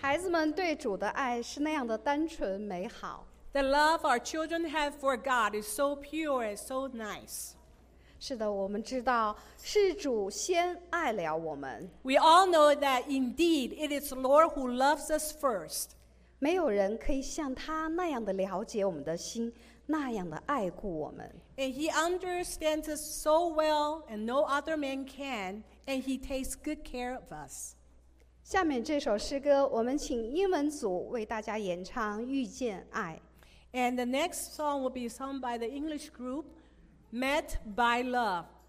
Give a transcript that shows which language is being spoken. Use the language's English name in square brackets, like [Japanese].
[Chinese] 们对主的爱是那样的单纯美好。 [English] The love our children have for God is so pure and so nice. [Chinese] 是的，我们知道是主先爱了我们。 [English] We all know that indeed it is the Lord who loves us first. [Chinese] 没有人可以像他那样的了解我们的心，那样的爱顾我们。 [English] And he understands us so well, and no other man can, and he takes good care of us. [Chinese] 下面这首诗歌，我们请英文组为大家演唱《遇见爱》。 [English] And the next song will be sung by the English group, Met by Love.